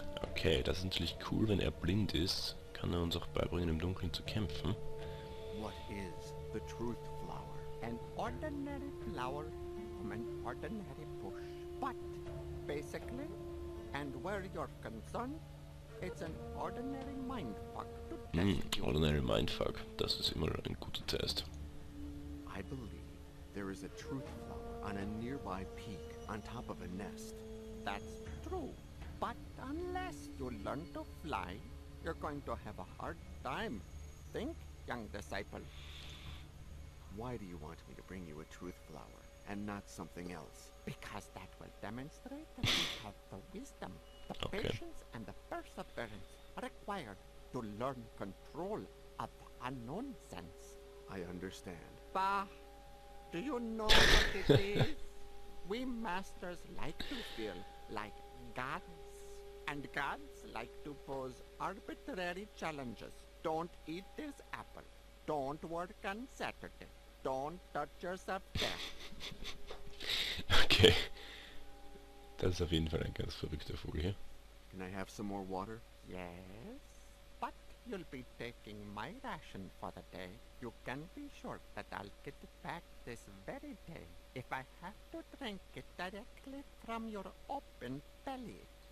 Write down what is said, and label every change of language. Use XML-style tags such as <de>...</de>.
<de>Okay, das ist natürlich cool, wenn er blind ist. Kann er uns auch beibringen, im Dunkeln zu kämpfen.</de> <en>What is the truth flower? An ordinary flower from an ordinary bush. But, basically, and where you're concerned, it's an ordinary mindfuck to test you. Ordinary mindfuck,</en> <de>das ist immer ein guter Test.</de> <en>I believe there is a truth flower on a nearby peak on top of a nest. That's true. But unless you learn to fly, you're going to have a hard time. Think, young disciple. Why do you want me to bring you a truth flower and not something else? Because that will demonstrate that you have the wisdom, the patience and the perseverance required to learn control of the unknown sense. I understand. Bah! Do you know what it is? We masters like to feel like gods. And gods like to pose arbitrary challenges. Don't eat this apple. Don't work on Saturday. Don't touch yourself there. Okay.</en> <de>Das ist auf jeden Fall ein ganz verrückter Vogel hier.</de> <en>Can I have some more water? Yes. But you'll be taking my ration for the day. You can be sure that I'll get it back this very day. If I have to drink it directly from your open belly.</en>